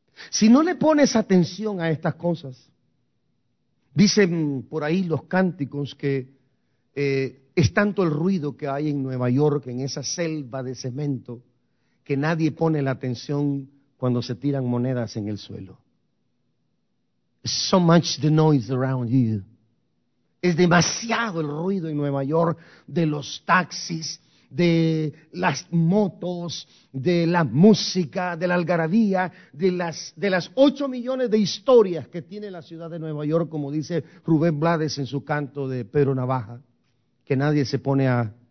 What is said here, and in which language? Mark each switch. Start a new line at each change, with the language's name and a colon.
Spanish: Si no le pones atención a estas cosas, dicen por ahí los cánticos que es tanto el ruido que hay en Nueva York, en esa selva de cemento, que nadie pone la atención cuando se tiran monedas en el suelo.
English: So much the noise around you.
Spanish: Es demasiado el ruido en Nueva York de los taxis, de las motos, de la música, de la algarabía, de las 8 millones de historias que tiene la ciudad de Nueva York, como dice Rubén Blades en su canto de Pedro Navaja, que nadie se pone a